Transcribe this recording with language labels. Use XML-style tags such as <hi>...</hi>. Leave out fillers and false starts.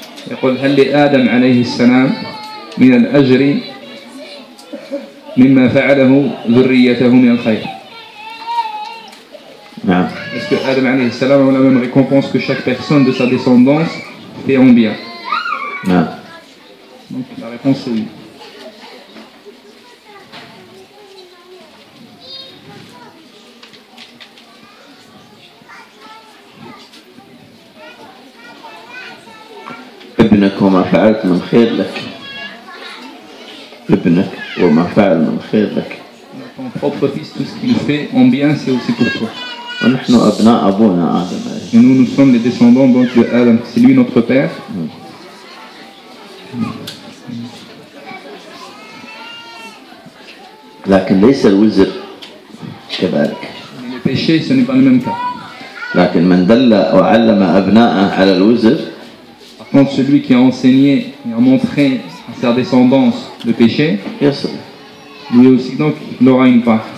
<ar>يقول هل لآدم عليه السلام من الأجر مما فعله ذريته من الخير؟ نعم.</ar> <fr>Est-ce que Adam عليه السلام a la même récompense que chaque personne de sa descendance fait en bien?</fr> <ar>نعم.</ar> <fr>Donc la réponse est oui.</fr> <ar>ابنك وما فعلت من خير لك. ابنك وما فعل من خير لك.</ar> <fr>Ton propre fils, tout ce qu'il fait en bien, c'est aussi pour toi.</fr> <ar>ونحن أبناء أبونا آدم.</ar> <fr>Et nous sommes les descendants donc de Adam. C'est lui notre père.</fr> <ar>لكن ليس الوزر كذلك.</ar> <fr>Mais le péché, ce n'est pas le même cas.</fr> <ar>لكن من دل وعلم أبناءه على الوزر.</ar> <fr>Quand celui qui a enseigné et a montré à sa descendance le péché, yes. Lui aussi donc il aura une part.</fr>